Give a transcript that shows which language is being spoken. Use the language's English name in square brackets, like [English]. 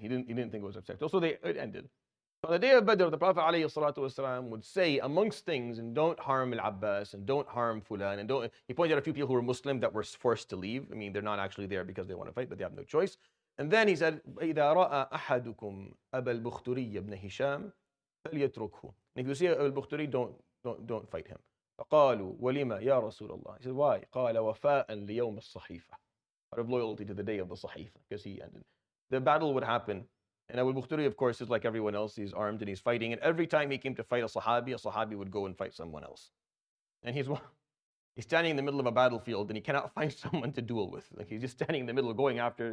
[English] He didn't think it was acceptable. So it ended. So on the day of Badr, the Prophet alayhi salatu wasalam would say amongst things, and don't harm al-Abbas, and don't harm Fulan, and don't. He pointed out a few people who were Muslim that were forced to leave. I mean, they're not actually there because they want to fight, but they have no choice. And then he said, [Arabic] إِذَا رَأَ أَحَدُكُمْ أَبَا الْبُخْتُرِيَّ بْنَ هِشَامْ فَلْيَتْرُكْهُ [English] And if you see Abu al-Bukhtari, don't fight him. [Arabic] فَقَالُوا وَلِمَا يَا رَسُولَ اللَّهِ [English] He said, why? [Arabic] قَالَ وَفَاءً لِيَوْمِ الصَّحِيفَةِ [English] Out of loyalty to the day of the Sahifa, because he ended. The battle would happen, and Abu al-Bukhtari, of course, is like everyone else. He's armed and he's fighting, and every time he came to fight a Sahabi would go and fight someone else. And he's He's standing in the middle of a battlefield and he cannot find someone to duel with. Like, he's just standing in the middle going after.